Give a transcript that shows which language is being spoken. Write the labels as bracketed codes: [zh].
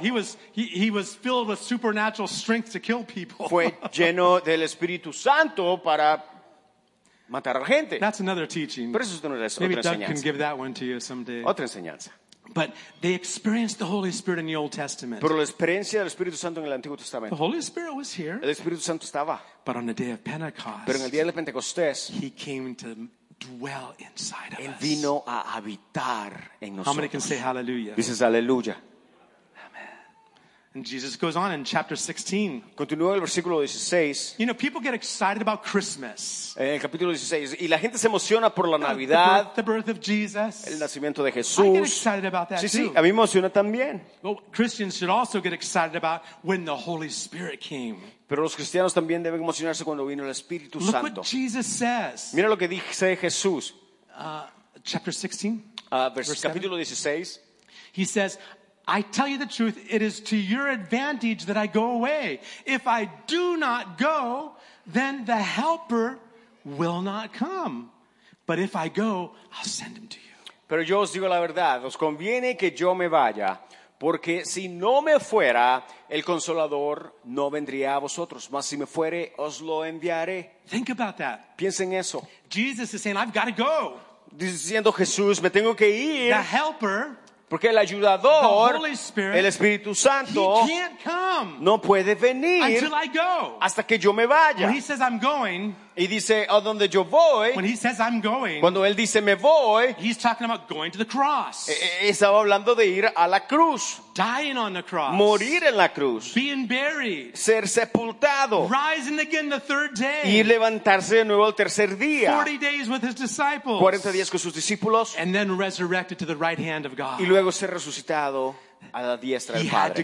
[en] He was filled with supernatural strength to kill people. [es] Fue lleno del Espíritu Santo para matar a la gente. [en] That's another teaching. [es] Pero eso es otra [en] Maybe [es] otra [en] Doug [es] enseñanza. [en] Can give that one to you someday. [es] Otra enseñanza. [en] But they experienced the Holy Spirit in the Old Testament. [es] Pero la experiencia del Espíritu Santo en el Antiguo Testamento. [en] The Holy Spirit was here. [es] El Espíritu Santo estaba. [en] But on the day of Pentecost. [es] Pero en el día de Pentecostés. [en] He came to dwell inside of [es] él [en] us. [es] Él vino a habitar en nosotros. [en] How many can say hallelujah? [es] Dices hallelujah. [en] And Jesus goes on in chapter 16. [es] Continúa el versículo 16. [en] You know, people get excited about Christmas. [es] En el capítulo 16. Y la gente se emociona por la Navidad. [en] The birth of Jesus. [es] El nacimiento de Jesús. [en] I get excited about that [es] sí, [en] too. [es] Sí, a mí me emociona también. [en] Well, Christians should also get excited about when the Holy Spirit came. [es] Pero los cristianos también deben emocionarse cuando vino el Espíritu [en] Look [es] Santo. [en] What Jesus says. [es] Mira lo que dice Jesús. [en] Chapter 16. [es] Capítulo 16. [en] He says, I tell you the truth, it is to your advantage that I go away. If I do not go, then the helper will not come. But if I go, I'll send him to you. [es] Pero yo os digo la verdad, os conviene que yo me vaya, porque si no me fuera, el consolador no vendría a vosotros, mas si me fuere, os lo enviaré. [en] Think about that. [es] Piensen eso. [en] Jesus is saying, I've got to go. [es] Diciendo Jesús, me tengo que ir. [en] The helper [es] porque el ayudador, [en] the Holy Spirit, [es] el Espíritu Santo, [en] he can't come [es] no puede venir [en] until I go. [es] Hasta que yo me vaya. [en] When he says I'm going, [es] y dice, a donde yo voy, [en] when he says I'm going, [es] cuando él dice me voy, [en] he's talking about going to the cross. [es] Estaba hablando de ir a la cruz. [en] Dying on the cross. [es] Morir en la cruz. [en] Being buried. [es] Ser sepultado. [en] Rising again the third day. [es] Y levantarse de nuevo el tercer día. [en] 40 days with his disciples. [es] 40 días con sus discípulos. [en] And then resurrected to the right hand of God. [es] Y luego ser resucitado a la diestra del Padre.